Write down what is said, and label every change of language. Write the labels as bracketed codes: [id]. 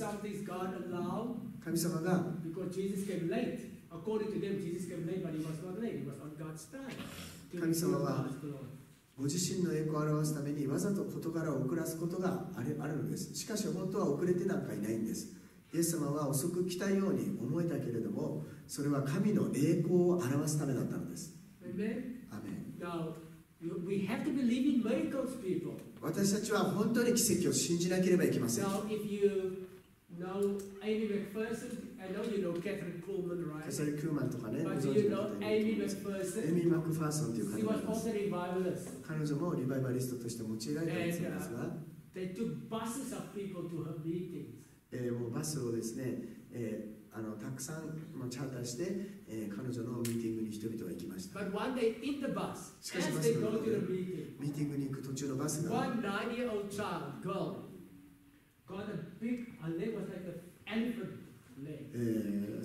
[ja] 神様が、神様はご自身の栄光を表すためにわざと事柄を遅らすことがあるのです。しかし本当は遅れてなんかいないんです。イエス様は遅く来たように思えたけれども、それは神の栄光を表すためだったのです。アメン。 [en] We have to believe in miracles, people. [ja] 私たちは本当に奇跡を信じなければいけません。 [en] Now, if you know Amy McPherson, I know you know Catherine Kuhlman, right? [ja] カサリ・クーマンとかね。 [en] But you know Amy McPherson. [ja] エミ・マクファーソンという方です。 [en] She was also a revivalist. [ja] 彼女もリバイバリストとして用いられたんですが。 [en] They took buses of people to her meetings. [ja] もうバスをですね、たくさんチャーターして、彼女のミーティングに人々は行きました。 [en] But one day in the bus, [ja] しかし、バスの中でミーティングに行く途中のバスが、 [en] one nine-year-old child, girl, got a big, leg was like an elephant leg.